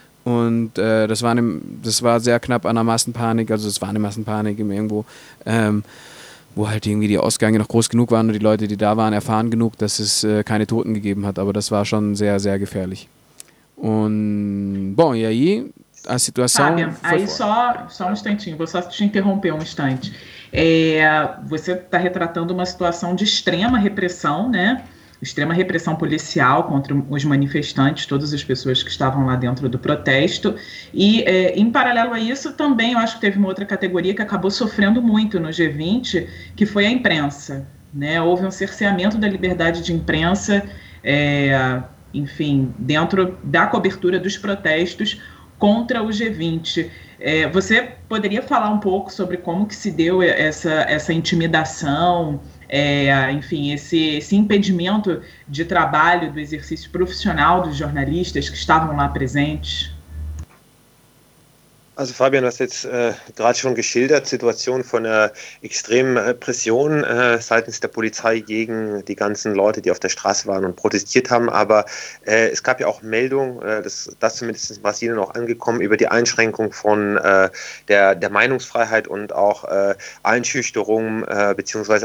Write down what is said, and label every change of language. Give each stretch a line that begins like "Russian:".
German: Und das war sehr knapp an der Massenpanik, also es war eine Massenpanik irgendwo, wo halt irgendwie die Ausgänge noch groß genug waren und die Leute, die da waren, erfahren genug, dass es keine Toten gegeben hat, aber das war schon sehr, sehr gefährlich.
Portuguese: Und bom, e aí a situação foi fora. Só um instantinho, vou só te interromper um instante. Você está retratando uma situação de extrema repressão, né? Extrema repressão policial contra os manifestantes, todas as pessoas que estavam lá dentro do protesto. E, em paralelo a isso, também eu acho que teve uma outra categoria que acabou sofrendo muito no G20, que foi a imprensa, né? Houve um cerceamento da liberdade de imprensa, enfim, dentro da cobertura dos protestos contra o G20. Você poderia falar um pouco sobre como que se deu essa intimidação, enfim, esse impedimento de trabalho, do exercício profissional dos jornalistas que estavam lá presentes?
German: Also Fabian, du hast jetzt gerade schon geschildert, Situation von einer extremen Repression seitens der Polizei gegen die ganzen Leute, die auf der Straße waren und protestiert haben. Aber es gab ja auch Meldungen, das zumindest in Brasilien auch angekommen, über die Einschränkung von der Meinungsfreiheit und auch Einschüchterungen bzw.